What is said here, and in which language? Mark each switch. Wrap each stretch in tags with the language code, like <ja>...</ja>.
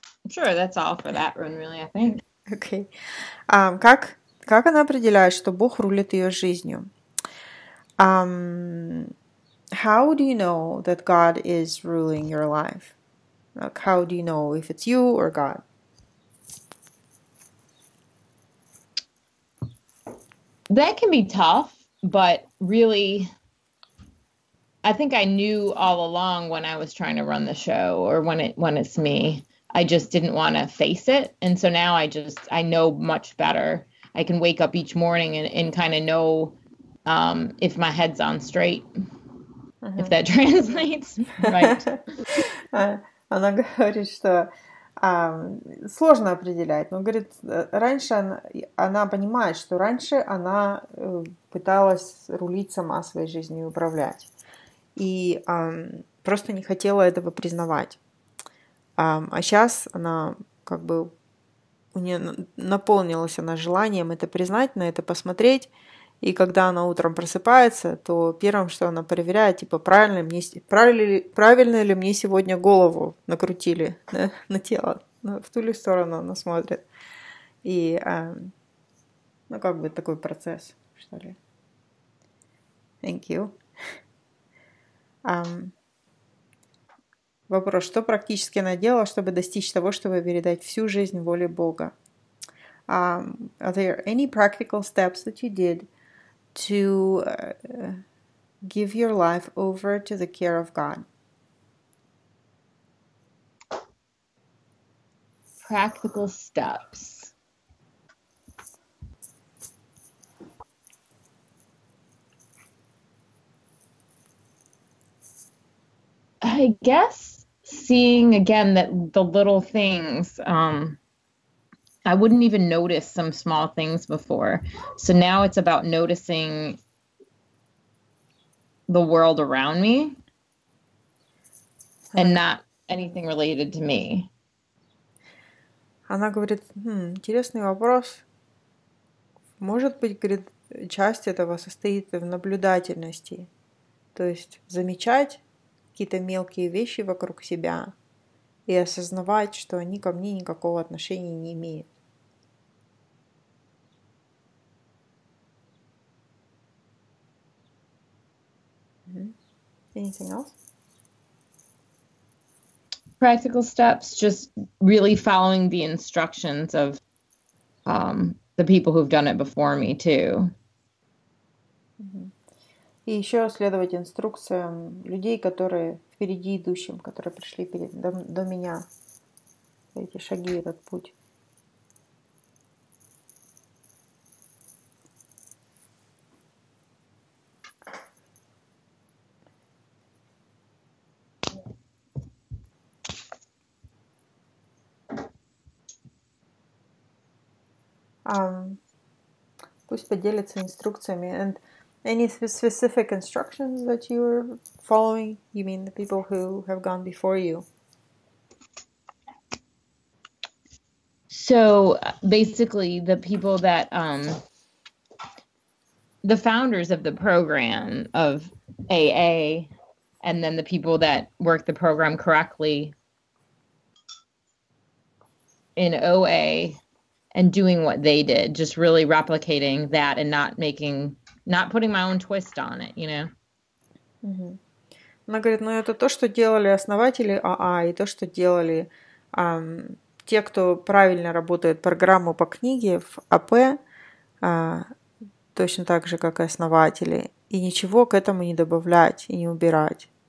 <en>Sure, that's all for that one, really, I think. Okay.</en> <ru>Как она определяет, что Бог рулит ее жизнью?</ru> <en>How do you know that God is ruling your life? Like, how do you know if it's you or God? That can be tough, but really... I think I knew all along when I was trying to run the show or when it's me, I just didn't want to face it. And so now I know much better. I can wake up each morning and kind of know if my head's on straight, uh-huh. if that translates right.</en> <ru>Она говорит, что сложно определять. Но говорит, раньше она понимает, что раньше она пыталась рулить сама своей жизнью, управлять. И просто не хотела этого признавать. А сейчас она как бы... У нее наполнилась она желанием это признать, на это посмотреть. И когда она утром просыпается, то первым, что она проверяет, типа, правильно ли мне сегодня голову накрутили, да, на тело. В ту ли сторону она смотрит. И, ну, как бы такой процесс, что ли.</ru> <en>Thank you.</en> <ru>Вопрос, что практически она делала, чтобы достичь того, чтобы передать всю жизнь воле Бога?</ru> <en>Are there any practical steps that you did to give your life over to the care of God? Practical steps. I guess seeing again that the little things, I wouldn't even notice some small things before. So now it's about noticing the world around me and not anything related to me.</en> <ru>Она говорит, интересный вопрос. Может быть, говорит, часть этого состоит в наблюдательности, то есть замечать какие-то мелкие вещи вокруг себя и осознавать, что они ко мне никакого отношения не имеют.</ru> <en>Anything else? Practical steps, just really following the instructions of the people who've done it before me too.</en> <ru>И еще следовать инструкциям людей, которые впереди идущим, которые пришли перед, до меня. Эти шаги, этот путь. Пусть поделится инструкциями.</ru> <en>And any specific instructions that you are following? You mean the people who have gone before you? So basically the people that the founders of the program of AA and then the people that work the program correctly in OA and doing what they did, just really replicating that and not putting my own twist on it, you know?</en> <ru>Она говорит, ну это то, что делали основатели АА, и то, что делали те, кто правильно работает программу по книге в АП, точно так же, как и основатели, и ничего к этому не добавлять и не убирать.</ru>